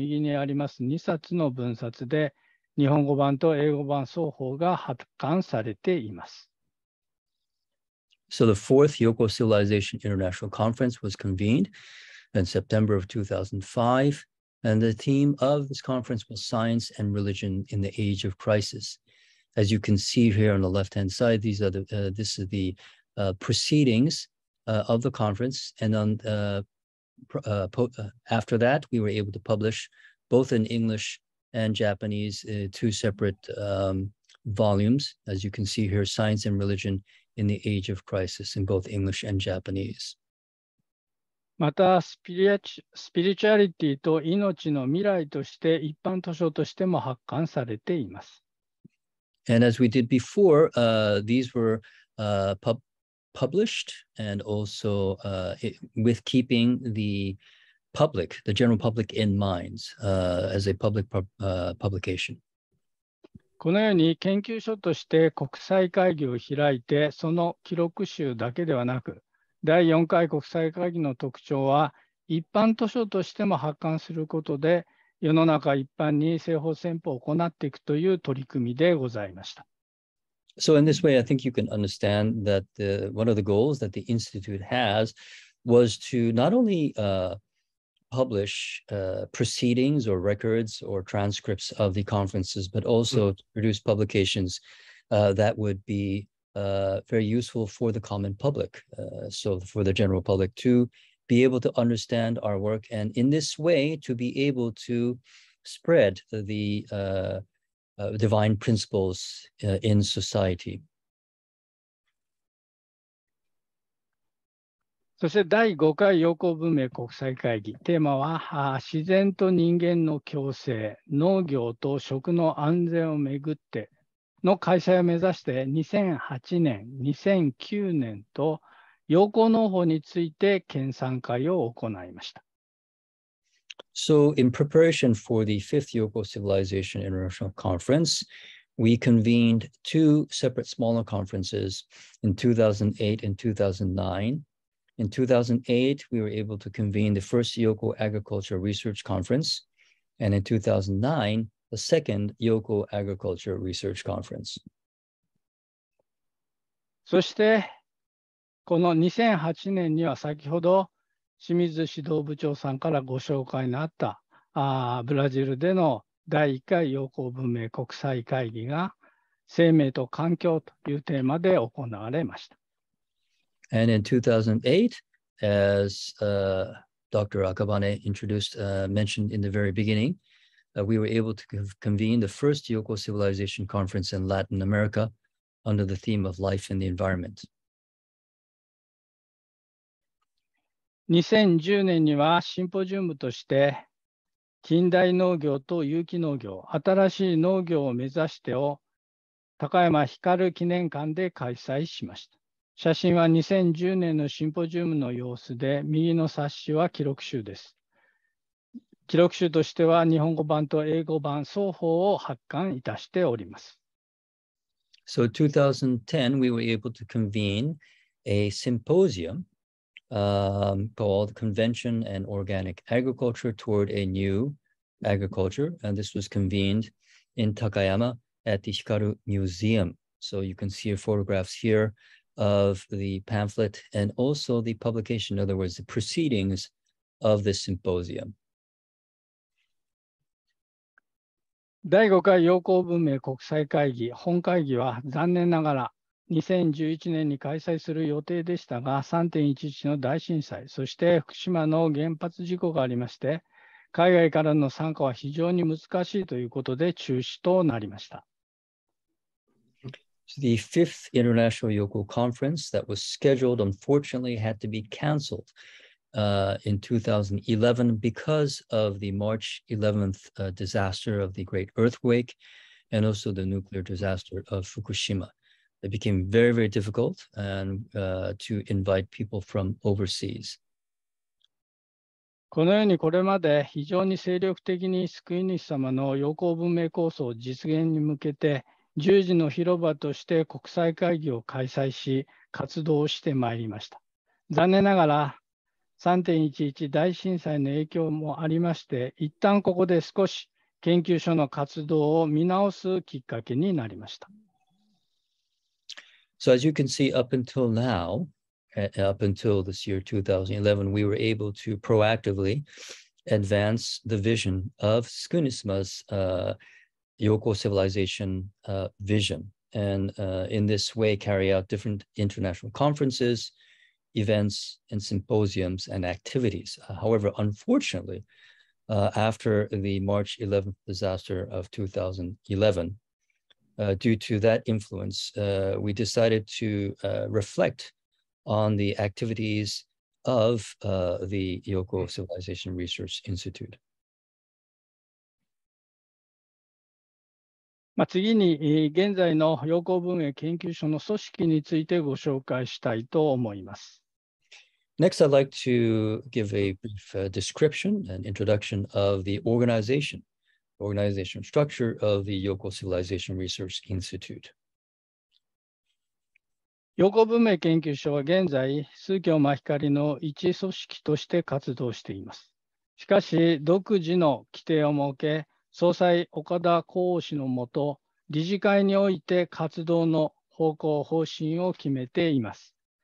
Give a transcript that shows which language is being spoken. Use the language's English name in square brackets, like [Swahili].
[Japanese] 2005年8月、兵庫県淡路島の夢舞台国際会議場を会場として第4回陽光文明国際会議。テーマは危機の時代における科学と宗教を行いました。左にあるのがその時の予行集です。日本語版、英語版が合本になっております。終わった後に、記録集としてはスライド中央と右にあります2冊の分冊で、 [English] So the fourth Yoko Civilization International Conference was convened in September of 2005, and the theme of this conference was Science and Religion in the Age of Crisis. As you can see here on the left-hand side, this is the proceedings of the conference. And on after that, we were able to publish both in English and Japanese, two separate volumes, as you can see here, Science and Religion in the Age of Crisis, in both English and Japanese. [Japanese] また、スピリチュアリティと命の未来として一般図書としても発刊されています。 [English] And as we did before, these were published and also with keeping the public, the general public in mind, as a public publication. [Japanese] このように研究所として国際会議を開いて、その記録集だけではなく、第4回国際会議の特徴は一般図書としても発刊することで世の中一般に西方戦法を行っていくという取り組みでございました。 [English] So in this way, I think you can understand that the, one of the goals that the Institute has was to not only publish proceedings or records or transcripts of the conferences, but also to produce publications that would be very useful for the common public, so for the general public to be able to understand our work and in this way to be able to spread the divine principles in society. [Japanese] そして第5回ヨーコ文明国際会議テーマは自然と人間の共生、農業と食の安全をめぐっての開催を目指して2008年、2009年と陽光農法について研鑽会を行いました。 [English] So in preparation for the 5th Yoko Civilization International Conference, we convened two separate smaller conferences in 2008 and 2009. In 2008, we were able to convene the first Yoko Agriculture Research Conference, and in 2009,The second Yoko Agriculture Research Conference. [Japanese] そしてこの2008年には先ほど清水指導部長さんからご紹介のあったブラジルでの第1回ヨーコ文明国際会議が生命と環境というテーマで行われました。 [English] And in 2008, as Dr. Akabane introduced, mentioned in the very beginning,we were able to convene the first Yoko Civilization Conference in Latin America under the theme of life and the environment. [Japanese] 2010年にはシンポジウムとして近代農業と有機農業、新しい農業を目指してを高山光記念館で開催しました。写真は2010年のシンポジウムの様子で、右の冊子は記録集です。記録集としては日本語版と英語版双方を発刊いたしております。 [English] So 2010, we were able to convene a symposium called Convention and Organic Agriculture Toward a New Agriculture, and this was convened in Takayama at the Hikaru Museum. So you can see photographs here of the pamphlet and also the publication, in other words, the proceedings of this symposium. [Japanese] 第5回陽光文明国際会議本会議は残念ながら2011年に開催する予定でしたが 3.11 の大震災そして福島の原発事故がありまして海外からの参加は非常に難しいということで中止となりました。 [English] The 5th International Yoko Conference that was scheduled unfortunately had to be cancelled in 2011 because of the March 11th disaster of the great earthquake and also the nuclear disaster of Fukushima. It became very, very difficult and, to invite people from overseas. [Japanese] このようにこれまで非常に精力的に救い主様の陽光文明構想実現に向けて十字の広場として国際会議を開催し活動をしてまいりました。残念ながら 3.11 大震災の影響もありまして、一旦ここで少し研究所の活動を見直すきっかけになりました。 [English] So as you can see up until now, up until this year 2011, we were able to proactively advance the vision of Tsukunisma's Yoko Civilization vision. and in this way carry out different international conferences, events, and symposiums and activities. However, unfortunately, after the March 11th disaster of 2011, due to that influence, we decided to reflect on the activities of the Yoko Civilization Research Institute. [Japanese] まあ、次に現在の陽光文明研究所の組織についてご紹介したいと思います。 [English] Next, I'd like to give a brief description and introduction of the organization structure of the Yoko Civilization Research Institute. [Japanese] 陽光文明研究所は現在、数教真光の一組織として活動しています。しかし、独自の規定を設け、総裁岡田浩夫氏のもと理事会において活動の方向方針を決めています。